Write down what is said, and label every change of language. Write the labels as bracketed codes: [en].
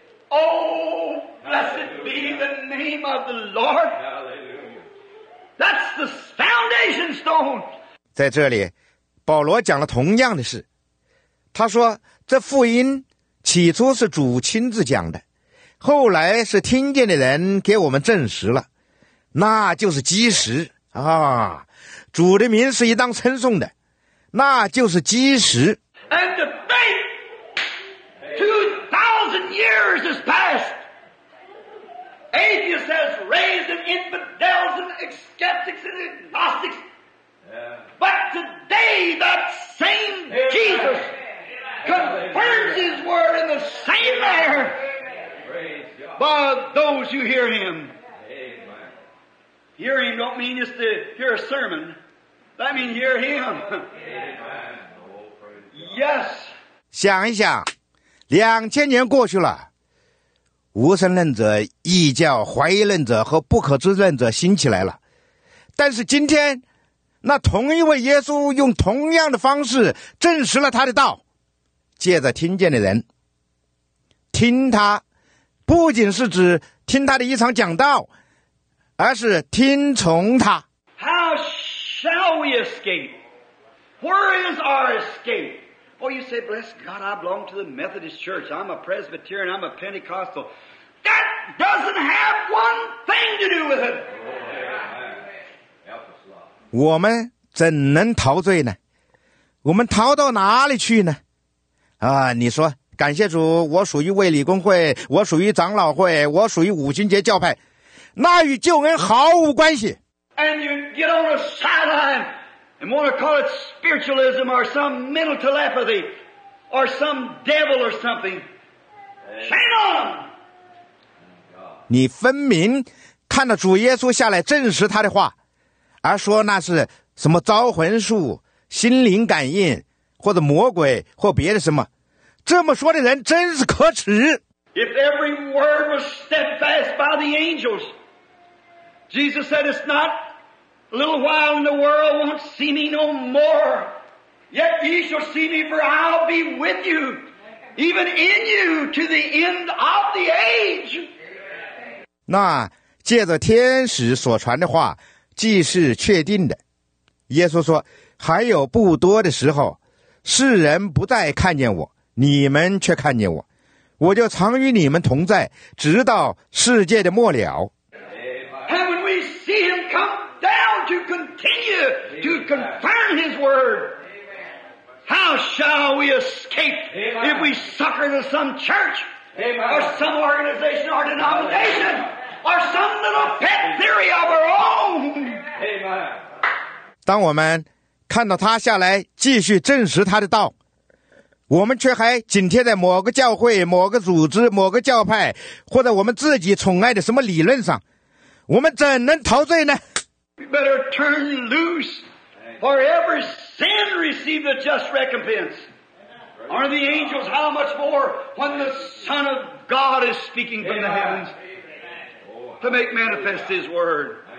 [en] Oh, blessed be the name of the Lord. That's the foundation stone. [zh] 在这里保罗讲了同样的事，他说这福音起初是主亲自讲的，后来是听见的人给我们证实了，那就是基石啊！主的名是一当称颂的，那就是基石。 [en] And the faith 2,000 years has passed. Atheists has raised and infidels and skeptics and agnostics. But today that same Jesus confirms his word in the same manner by those who hear him. Hear him don't mean just to hear a sermon. That means hear him. Yes. [zh] 想一想，2000年过去了，无神论者、异教、怀疑论者和不可知论者兴起来了，但是今天那同一位耶稣用同样的方式证实了他的道，借着听见的人听他，不仅是指听他的一场讲道，而是听从他。 [en] How shall we escape? Where is our escape? Oh, you say, bless God, I belong to the Methodist Church. I'm a Presbyterian, I'm a Pentecostal. That doesn't have one thing to do with it. Oh, yeah. [zh] 我们怎能陶醉呢？我们陶到哪里去呢？啊，你说，感谢主，我属于卫理公会，我属于长老会，我属于五旬节教派，那与救恩毫无关系。 [en] And you get on a sideline and want to call it spiritualism or some mental telepathy or some devil or something. Shame on! [zh] 你分明看到主耶稣下来证实他的话，而说那是什么招魂术、心灵感应或者魔鬼或别的什么，这么说的人真是可耻。 [en] If every word was steadfast by the angels, Jesus said it's not a little while in the world won't see me no more, yet ye shall see me, for I'll be with you, even in you to the end of the age. [zh] 那借着天使所传的话既是确定的，耶稣说还有不多的时候，世人不再看见我，你们却看见我，我就常与你们同在，直到世界的末了。 [en] And when we see him come down to continue to confirm his word. How shall we escape if we sucker to some church or some organization or denomination or some little pet theory of our own? Amen. [zh] 当我们看到他下来继续证实他的道，我们却还紧贴在某个教会、某个组织、某个教派，或者我们自己宠爱的什么理论上，我们怎能陶醉呢？ [en] You better turn loose, for every sin received a just recompense. Aren't the angels how much more when the Son of God is speaking from the heavens to make manifest His word?